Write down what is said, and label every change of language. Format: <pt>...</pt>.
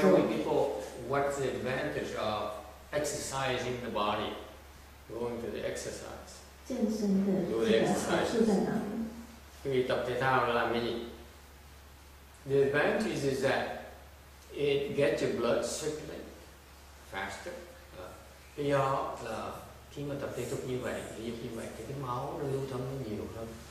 <en>do people, what's the advantage of exercising the body, going to the exercise?</en> <zh>健身的好处在哪里？可以</zh> <vi>tập thể thao làm gì?</vi> <en>The advantage is that it gets your blood circulating faster.</en> <vi>Vì đó là khi mà tập thể dục như vậy, ví dụ như vậy, cái máu nó lưu thông nhiều hơn.</vi>